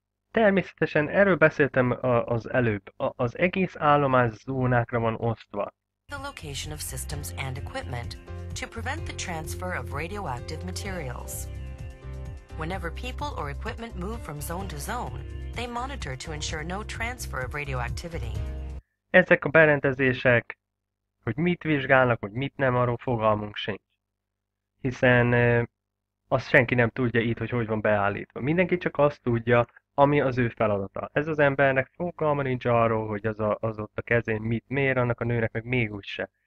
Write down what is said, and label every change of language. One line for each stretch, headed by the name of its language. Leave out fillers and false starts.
Hungarian: Természetesen erről beszéltem az előbb. Az egész állomás zónákra van osztva.
English: The location of systems and equipment to prevent the transfer of radioactive materials. Whenever people or equipment move from zone to zone, they monitor to ensure no transfer of radioactivity.
Hungarian: Ezek a berendezések, hogy mit vizsgálnak, hogy mit nem, arról fogalmunk sincs. Hiszen azt senki nem tudja itt, hogy hogy van beállítva. Mindenki csak azt tudja, ami az ő feladata. Ez az embernek fogalma nincs arról, hogy az ott a kezén mit mér, annak a nőnek meg még úgy se.